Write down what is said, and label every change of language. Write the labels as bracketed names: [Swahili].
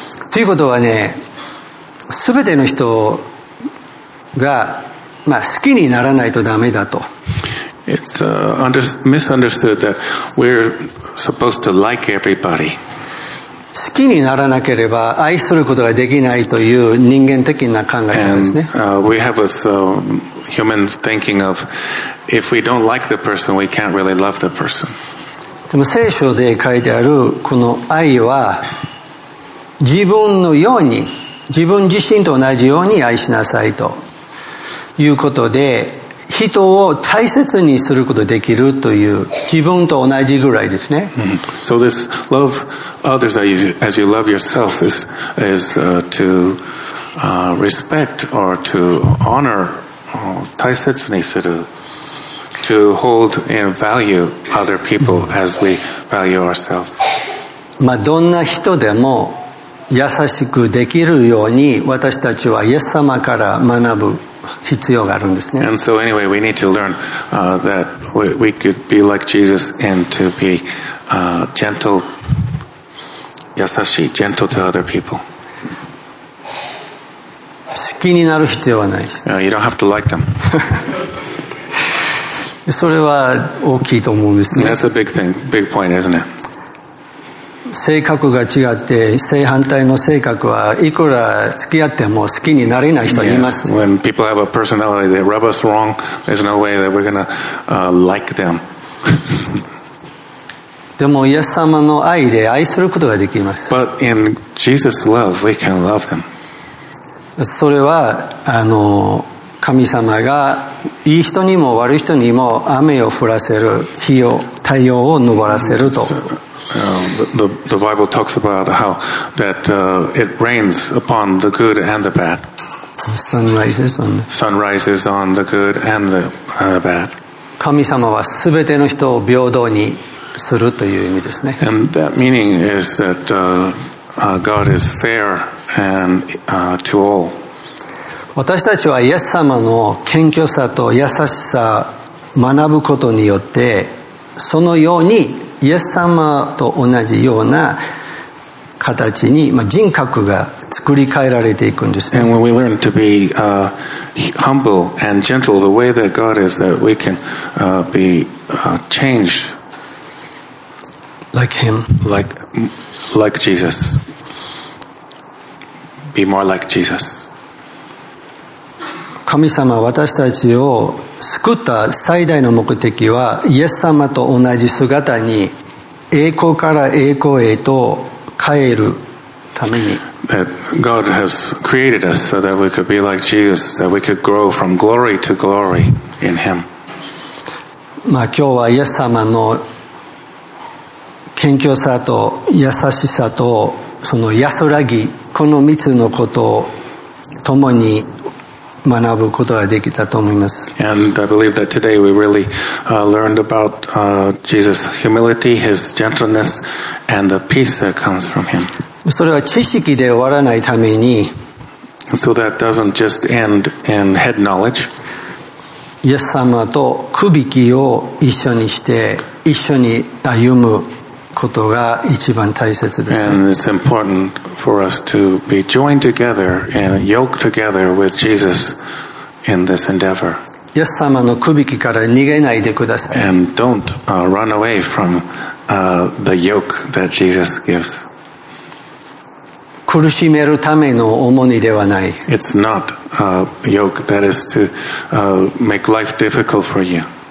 [Japanese] ということはね、すべての人が、まあ、好きにならないとダメだと。 [English] It's misunderstood that we're supposed to like everybody. [Japanese] 好きにならなければ愛することができないという人間的な考え方ですね。 [English] And, we have a human thinking of if we don't like the person, we can't really love the person. [Japanese] でも聖書で書いてあるこの愛は自分のように自分自身と同じように愛しなさいということで人を大切にすることができるという自分と同じぐらいですね。 Mm-hmm. [English] So this love others as you love yourself is to respect or to honor [Japanese] 大切にする [English] to hold and value other people as we value ourselves. [Japanese] まあどんな人でも優しくできるように私たちはイエス様から学ぶ必要があるんですね。 [English] And so anyway, we need to learn that we could be like Jesus and to be gentle, 優しい、gentle to other people. [Japanese] 好きになる必要はないです。 [English] You don't have to like them. [Japanese] それは大きいと思うんですね。 [English] That's a big thing, big point, isn't it? [Japanese] 性格が違って正反対の性格はいくら付き合っても好きになれない人います。 [English] Yes, when people have a personality that rub us wrong, there's no way that we're going to like them. [Japanese] でもイエス様の愛で愛することができます。 [English] But in Jesus' love, we can love them. [Japanese] それは神様がいい人にも悪い人にも雨を降らせる日を太陽を昇らせると、 [English] The Bible talks about how it rains upon the good and the bad. Sun rises on the good and the bad. [Japanese] 神様は全ての人を平等にするという意味ですね。 [English] And that meaning is that God is fair and to all. [Japanese] 私たちはイエス様の謙虚さと優しさ学ぶことによってそのようにイエス様と同じような形に人格が作り変えられていくんですね。 [English] And when we learn to be humble and gentle the way that God is, that we can be changed like him, like Jesus, be more like Jesus. [Japanese] 神様は私たちを救った最大の目的はイエス様と同じ姿に栄光から栄光へと変えるために。 [English] That God has created us so that we could be like Jesus, that we could grow from glory to glory in Him. [Japanese] まあ今日はイエス様の謙虚さと優しさとその安らぎ、この三つのことを共に学ぶことができたと思います。 [English] And I believe that today we really learned about Jesus' humility, his gentleness, and the peace that comes from him. [Japanese] それは知識で終わらないために。 [English] So that doesn't just end in head knowledge. [Japanese] イエス様と区引きを一緒にして一緒に歩むことが一番大切ですね。 [English] And it's important for us to be joined together and yoked together with Jesus in this endeavor. [Japanese] イエス様の区引きから逃げないでください。 [English] And don't run away from the yoke that Jesus gives. [Japanese] 苦しめるための重荷ではない。 [English] It's not a yoke that is to make life difficult for you.